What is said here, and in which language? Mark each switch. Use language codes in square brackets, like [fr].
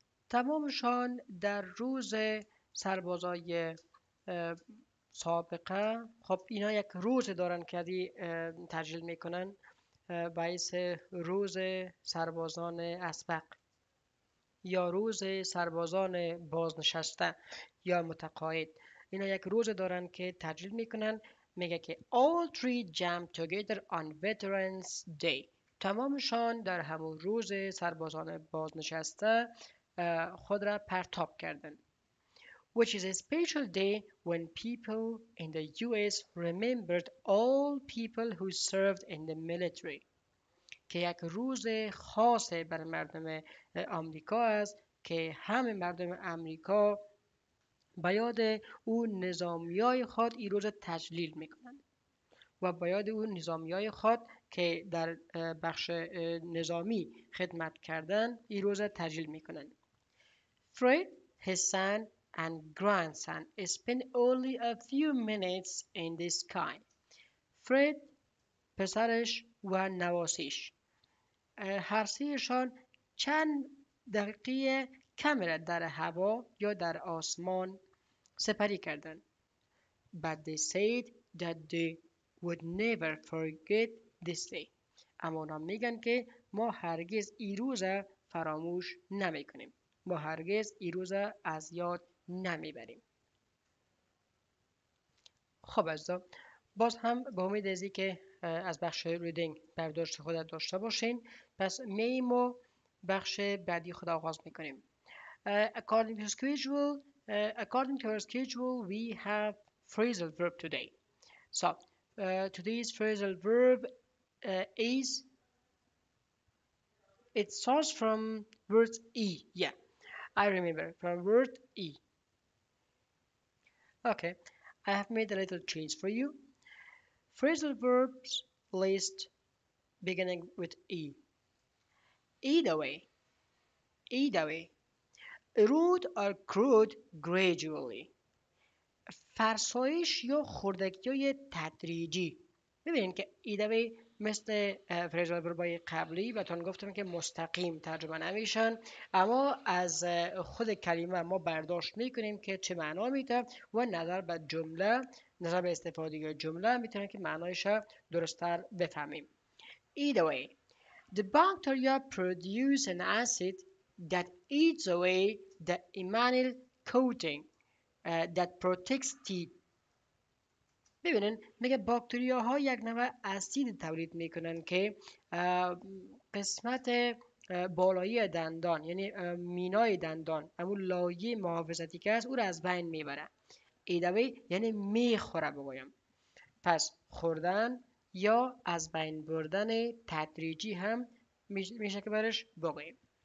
[fa] تمامشان در روز سربازای سابقه، خب اینا یک روز دارن که ادی تجلیل میکنن باعث روز سربازان اسبق یا روز سربازان بازنشسته یا متقاعد، اینا یک روز دارن که تجلیل میکنن. میگه که [en] All three jumped together on Veterans Day. [fa] تمامشان در همون روز سربازان بازنشسته خود را پرتاب کردن. [en] Which is a special day when people in the US remembered all people who served in the military. [fa] که یک روز خاص بر مردم آمریکا است که همه مردم آمریکا به یاد او نظامیای خود این روز تجلیل میکنند و به یاد او نظامیای خود که در بخش نظامی خدمت کردند این روز تجلیل میکنند. [en] Fred, his son and grandson spent only a few minutes in the sky. [fa] Fred, پسرش و نواسیش هر سیشان چند دقیقه کمره در هوا یا در آسمان سپری کردن. [en] But they said that they would never forget this day. [fa] اما اونا میگن که ما هرگز ای روز فراموش نمی کنیم. ما هرگز ای روز از یاد نمی بریم. خب عزیزا، باز هم با امید از اینکه از بخش ریدینگ برداشت خود داشته باشین، پس میمو بخش بعدی خود آغاز می کنیم. [en] According to our schedule, we have phrasal verb today. So, today's phrasal verb is, it starts from word E. Yeah, I remember, from word E. Okay, I have made a little change for you. Phrasal verbs list beginning with E. Either way. Rude or crude gradually. [fa] فرسایش یا خردکی های تدریجی. ببینید که ایدوی مثل فریز وربای قبلی بهتون گفتم که مستقیم ترجمه نمیشن، اما از خود کلمه ما برداشت میکنیم که چه معنا میده و نظر به جمله، نظر به استفاده جمله میتونیم که معنایش درستتر بفهمیم. [en] Either way, the bacteria produce an acid that eats away the enamel coating that protects teeth. [fa] ببینین، میگه باکتریا ها یک نوع اسید تولید میکنن که قسمت بالایی دندان، یعنی مینای دندان، امون لایه محافظتی که هست، او را از بین میبره. ایدوی یعنی میخوره بگویم. پس خوردن یا از بین بردن تدریجی هم میشه که برش بگویم.